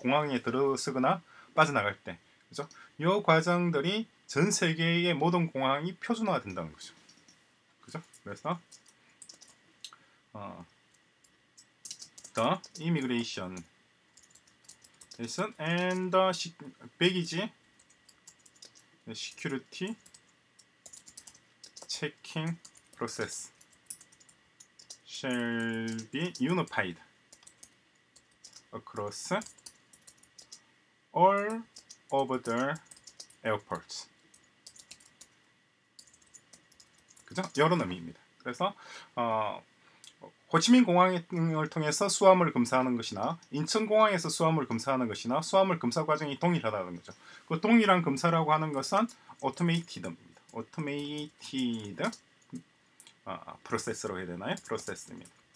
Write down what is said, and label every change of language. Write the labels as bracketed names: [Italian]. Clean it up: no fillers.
[Korean] 공항에 들어서거나 빠져나갈 때 그죠? 요 과정들이 전 세계의 모든 공항이 표준화 된다는 거죠. 그죠? [English] 그래서 the immigration and the baggage security checking process shall be unified across all of the airports. [Korean] 그죠? 이런 의미입니다. 그래서 호치민 공항을 통해서 수화물 검사하는 것이나 인천 공항에서 수화물 검사하는 것이나 수화물 검사 과정이 동일하다는 거죠. 그 동일한 검사라고 하는 것은 automated입니다. automated 프로세스로 해야 되나요? 프로세스입니다.